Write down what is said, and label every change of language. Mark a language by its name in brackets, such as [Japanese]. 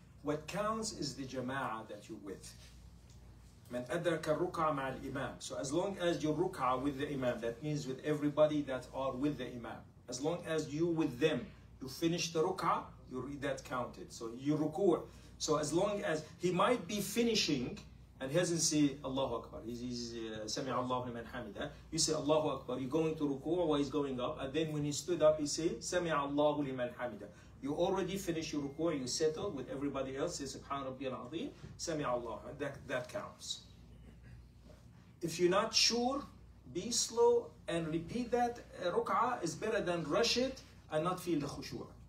[English] What counts is the jama'ah that you're with. [Arabic] Man adraka ruk'ah ma'al imam. [English] So as long as your ruk'ah with the imam, that means with everybody that are with the imam, as long as you with them, you finish the ruk'ah, you read that counted. So you ruku'. So as long as he might be finishing and he doesn't say Allahu Akbar. He's [Arabic] سمع الله لمن حمده. [English] You say Allahu Akbar. You're going to ruku' while he's going up, and then when he stood up, he say [Arabic] سمع الله لمن حمده. [English] You already finish your ruku', you settle with everybody else, say [Arabic] Subhan Rabbi al-Azim, سمع الله. [English] That counts. If you're not sure, be slow and repeat that ruk'ah is better than rush it and not feel the khushu'.